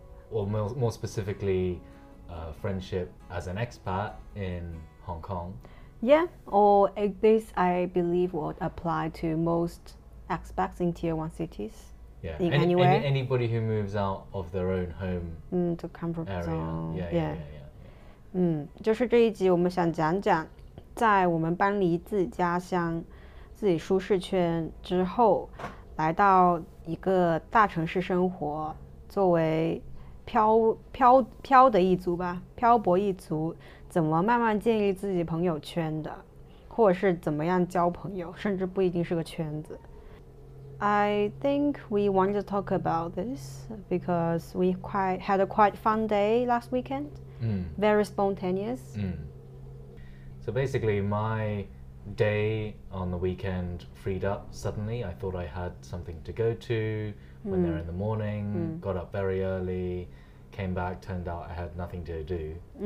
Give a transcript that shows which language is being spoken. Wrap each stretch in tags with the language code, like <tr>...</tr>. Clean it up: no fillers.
<en>Or more specifically, friendship as an expat in Hong Kong. Yeah, or this, I believe, would apply to most expats in Tier 1 cities. Yeah, anybody who moves out of their own home to comfort zone. Yeah.</en> <zh>就是这一集我们想讲讲在我们搬离自己家乡、自己舒适圈之后来到一个大城市生活，作为漂的一族吧，漂泊一族，怎么慢慢建立自己朋友圈的，或者是怎么样交朋友，甚至不一定是个圈子。</zh> <en>I think we want to talk about this because we had a quite fun day last weekend. Very spontaneous. So basically my day on the weekend freed up suddenly. I thought I had something to go to when they're in the morning, got up very early, came back, turned out I had nothing to do.</en>